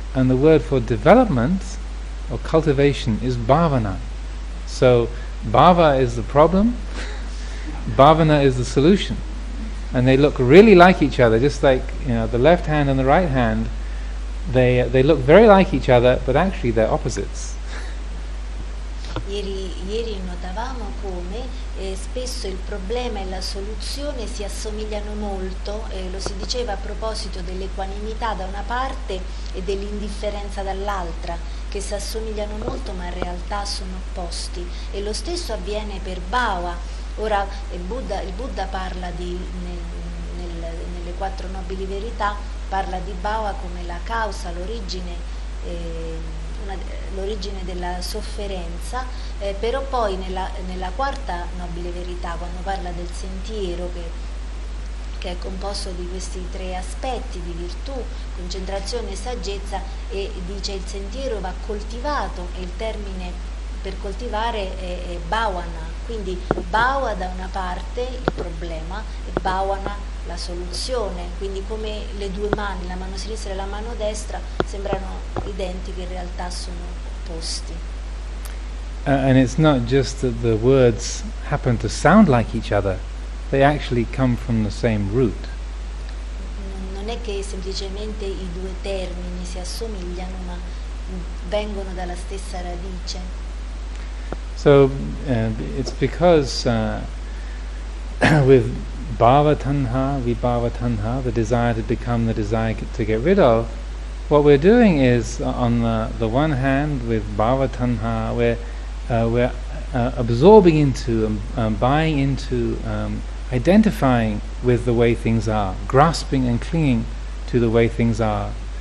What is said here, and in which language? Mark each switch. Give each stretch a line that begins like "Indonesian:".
English: And the word for development or cultivation is bhavana. So bhava is the problem, bhavana is the solution. And they look really like each other, just like, you know, the left hand and the right hand, they look very like each other, but actually they're opposites.
Italian: Ieri notavamo come spesso il problema e la soluzione si assomigliano molto, lo si diceva a proposito dell'equanimità da una parte e dell'indifferenza dall'altra, che si assomigliano molto ma in realtà sono opposti. E lo stesso avviene per Bhava. Ora il Buddha parla nelle quattro nobili verità, parla di Bhava come la causa, l'origine, l'origine della sofferenza, però poi nella quarta nobile verità, quando parla del sentiero che è composto di questi tre aspetti di virtù, concentrazione e saggezza, e dice il sentiero va coltivato, e il termine per coltivare è bhavana. Quindi bhava da una parte il problema e bhavana la soluzione, quindi come le due mani, la mano sinistra e la mano destra, sembrano identiche, in realtà sono opposti.
English: And it's not just that the words happen to sound like each other, they actually come from the same root.
Italian: Non è che semplicemente i due termini si assomigliano, ma vengono dalla stessa radice.
English: So it's because with bhava tanha, vibhava tanha, the desire to become, the desire to get rid of, what we're doing is, on the one hand, with bhava tanha, we're absorbing into, buying into, identifying with the way things are, grasping and clinging to the way things are,